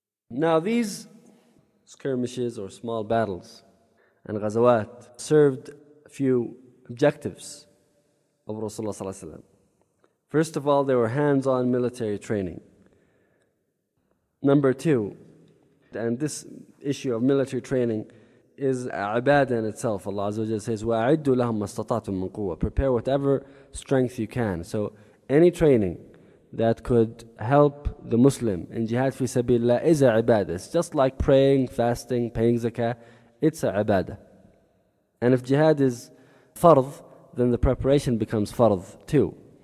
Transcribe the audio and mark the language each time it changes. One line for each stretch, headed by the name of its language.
English: Now these skirmishes or small battles and ghazawat served a few objectives of Rasulullah sallallahu alaihi wasallam. First of all, they were hands-on military training. Number two, and this issue of military training is ibadah in itself. Allah Azza wa Jalla says,
Arabic: وَأَعِدُّ لَهُمْ مَا اسْتَطَعْتُمْ مِنْ قُوَّةٍ.
English: Prepare whatever strength you can. So any training that could help the Muslim in jihad fi sabilillah is a ibadah. It's just like praying, fasting, paying zakah. It's a ibadah. And if jihad is fard, then the preparation becomes fard too.